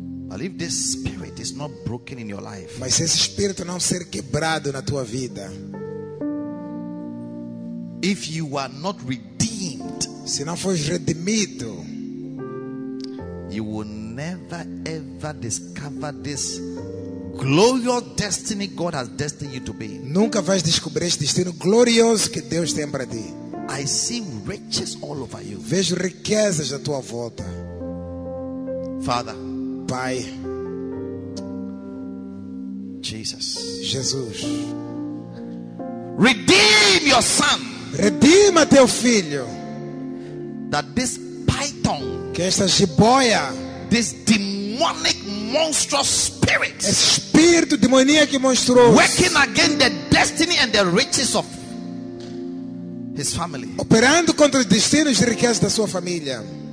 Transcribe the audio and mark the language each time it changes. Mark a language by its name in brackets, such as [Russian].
[English] But if this spirit is not broken in your life, [Portuguese] mas se esse espírito não ser quebrado na tua vida, [English] if you are not redeemed, [Portuguese] se não fores redimido, [English] you will never ever discover this glorious destiny God has destined you to be. [Portuguese] Nunca vais descobrir este destino glorioso que Deus tem para ti. [English] I see riches all over you. [Portuguese] Vejo riquezas à tua volta. [English] Father, [Portuguese] Pai, [English] Jesus, [Portuguese] Jesus, [English] redeem your son. [Portuguese] Redima teu filho. [English] That this python, [Portuguese] que esta jiboia, [English] this demonic monstrous spirit, [Portuguese] esse espírito demoníaco e monstruoso, [English] working against the destiny and the riches of his family, [Portuguese] operando contra os destinos e riquezas da sua família,